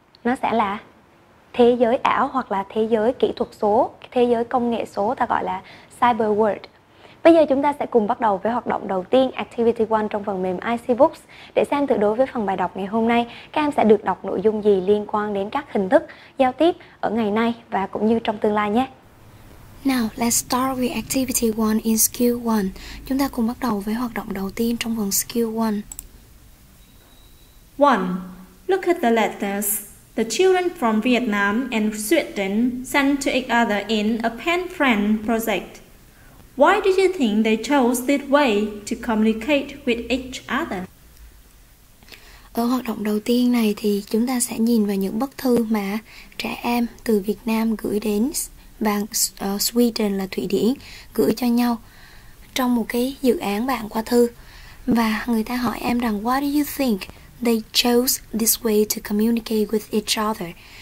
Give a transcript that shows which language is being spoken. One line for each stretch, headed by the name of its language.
Vietnamese: Nó sẽ là thế giới ảo hoặc là thế giới kỹ thuật số, thế giới công nghệ số, ta gọi là cyber world. Bây giờ chúng ta sẽ cùng bắt đầu với hoạt động đầu tiên, activity 1 trong phần mềm IC Books, để xem thử đối với phần bài đọc ngày hôm nay, các em sẽ được đọc nội dung gì liên quan đến các hình thức giao tiếp ở ngày nay và cũng như trong tương lai nhé.
English: Now, let's start with activity 1 in skill 1.
Vietnamese: Chúng ta cùng bắt đầu với hoạt động đầu tiên trong phần skill 1. 1.
English: Look at the letters the children from Vietnam and Sweden sent to each other in a pen friend project. Why do you think they chose this way to communicate with each other?
Vietnamese: Ở hoạt động đầu tiên này thì chúng ta sẽ nhìn vào những bức thư mà trẻ em từ Việt Nam gửi đến bạn Sweden là Thụy Điển gửi cho nhau trong một cái dự án bạn qua thư. Và người ta hỏi em rằng
English: what do you think they chose this way to communicate with each other.